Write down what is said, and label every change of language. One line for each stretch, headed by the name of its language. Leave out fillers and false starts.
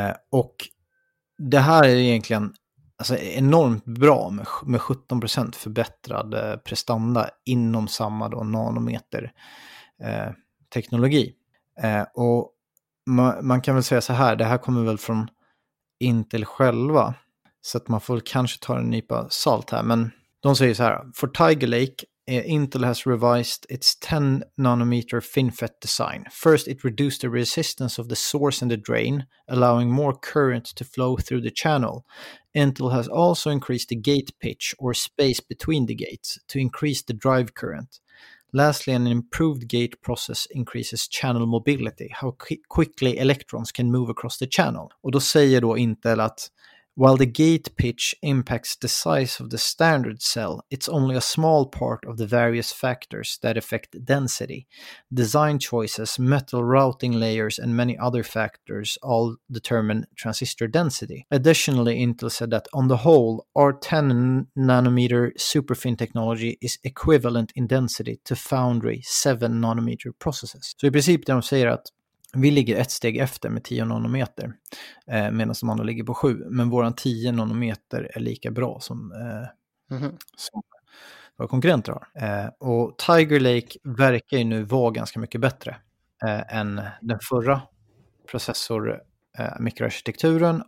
Swedish: Och det här är egentligen alltså enormt bra med 17% förbättrad prestanda inom samma då nanometer teknologi. Och man kan väl säga så här, det här kommer väl från Intel själva, så att man får kanske ta en nypa salt här, men de säger så här:
English: "For Tiger Lake, Intel has revised its 10 nanometer FinFET design. First, it reduced the resistance of the source and the drain, allowing more current to flow through the channel. Intel has also increased the gate pitch, or space between the gates, to increase the drive current. Lastly, an improved gate process increases channel mobility, how quickly electrons can move across the channel."
Swedish: Och då säger då Intel att
English: While the gate pitch impacts the size of the standard cell, it's only a small part of the various factors that affect density. Design choices, metal routing layers, and many other factors all determine transistor density. Additionally, Intel said that on the whole, our 10 nanometer superfin technology is equivalent in density to foundry 7 nanometer processes.
Swedish: So i princip de säger att vi ligger ett steg efter med 10 nanometer, medan de andra ligger på 7. Men våran 10 nanometer är lika bra som, som våra konkurrenter har. Och Tiger Lake verkar ju nu vara ganska mycket bättre än den förra processor-mikroarkitekturen.